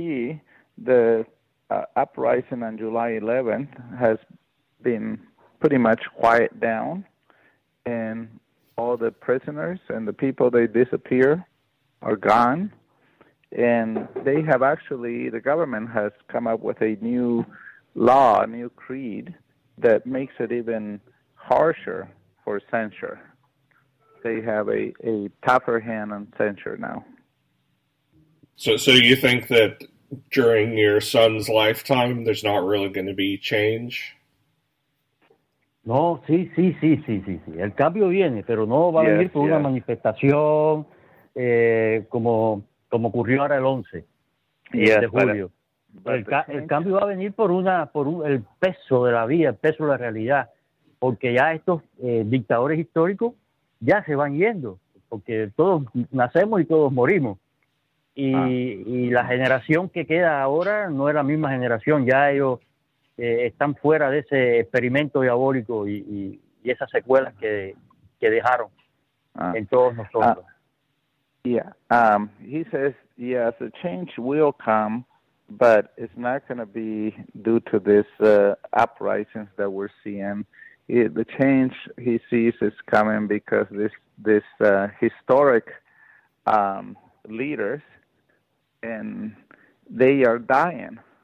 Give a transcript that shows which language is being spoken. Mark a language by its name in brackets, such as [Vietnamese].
[English] As you can see, the uprising on July 11th has been pretty much quiet down, and all the prisoners and the people they disappear are gone, and they have actually, the government has come up with a new law, a new creed that makes it even harsher for censure. They have a tougher hand on censure now. So you think that during your son's lifetime there's not really going to be change? [Spanish] No, sí. El cambio viene, pero no va a venir por una manifestación como ocurrió ahora el 11 de julio. El cambio va a venir por el peso de la vida, el peso de la realidad, porque ya estos dictadores históricos ya se van yendo, porque todos nacemos y todos morimos. Y la generación que queda ahora no es la misma generación, ya ellos... están fuera de ese experimento diabólico y esas secuelas que dejaron en todos nosotros. [English] Yeah. He says, yes, a change will come, but it's not going to be due to this uprisings that we're seeing. The change he sees is coming because this historic leaders, and they are dying.